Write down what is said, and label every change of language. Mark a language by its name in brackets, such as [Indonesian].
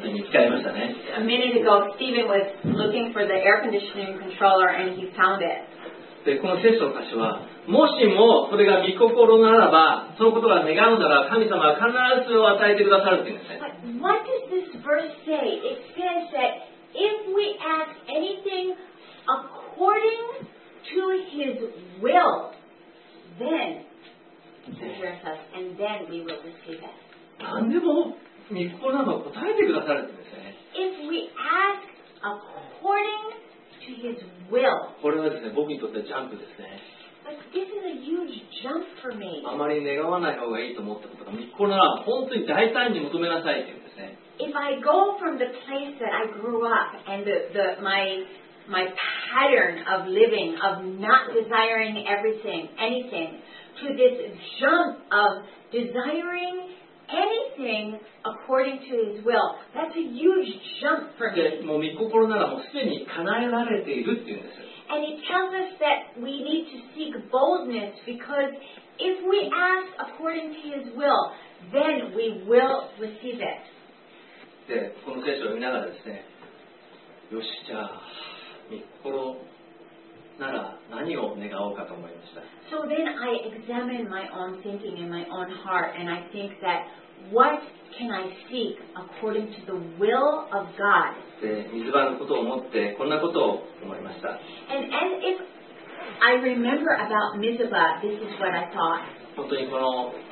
[English] minute ago, Stephen was looking for the air conditioning controller and he found it. [Japanese] で、この聖書の箇所は、もしもそれが御心ならば、そのことが願うなら、神様は必ずそれを与えてくださるって言うんですね。 [English] But what does this verse say? It says that if we ask anything according to his will, then he hears us and then we will receive it. [Japanese] 何でも御心なのを答えてくださるんですね。 [English] If we ask according to His will, [Japanese] これはですね、僕にとってジャンプですね。 [English] But this is a huge jump for me. [Japanese] あまり願わない方がいいと思ったことが、御心なら本当に大胆に求めなさいっていうんですね。 [English] If I go from the place that I grew up and my pattern of living of not desiring anything to this jump of desiring anything according to his will. That's a huge jump for me. [Japanese] もう御心ならもうすでに叶えられているっていうんです。 [English] And it tells us that we need to seek boldness because if we ask according to his will, then we will receive it. [Japanese] で、この聖書を見ながらですね、よし、じゃあ、御心なら何を願おうかと思いました。 [English] So then I examine my own thinking in my own heart and I think that what can I seek according to the will of God? And as if I remember about Mizpah, this is what I thought.